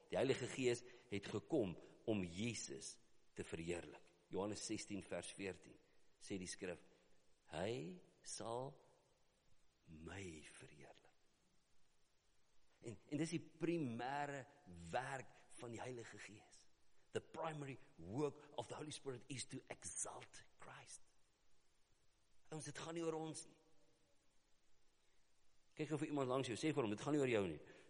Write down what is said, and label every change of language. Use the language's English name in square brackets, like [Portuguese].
[Afrikaans] Die Heilige Gees het gekom om Jesus te verheerlik. Johannes 16 vers 14 sê die skrif, hy sal my verheerlik. En dis die primêre werk van die Heilige Gees. [English] The primary work of the Holy Spirit is to exalt Christ. [Afrikaans] Ons, dit gaan nie oor ons nie. Kyk of iemand langs jou, sê vir hom, dit gaan nie oor jou nie.